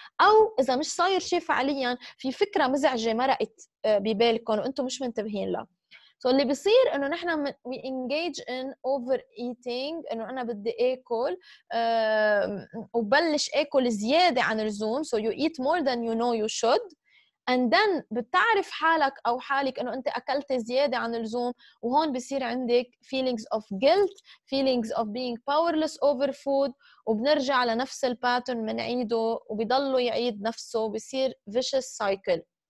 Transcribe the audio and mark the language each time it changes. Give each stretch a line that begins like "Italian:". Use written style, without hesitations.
Arabic: أو إذا مش صاير شيء فعلياً في فكرة مزعجة مرقت ببالكم وأنتم مش منتبهين لها. So اللي بيصير انه نحن
English: we engage in overeating,
Arabic: انه انا بدي اكل وبلش اكل زيادة عن اللزوم.
English: So you eat more than you know you should.
Arabic: And then بتعرف حالك أو حالك أنه أنت أكلت زيادة عن اللزوم, وهون بصير عندك
English: feelings of guilt, feelings of being powerless over food,
Arabic: وبنرجع لنفس الباترن منعيده وبيضلوا يعيد نفسه, بصير vicious cycle.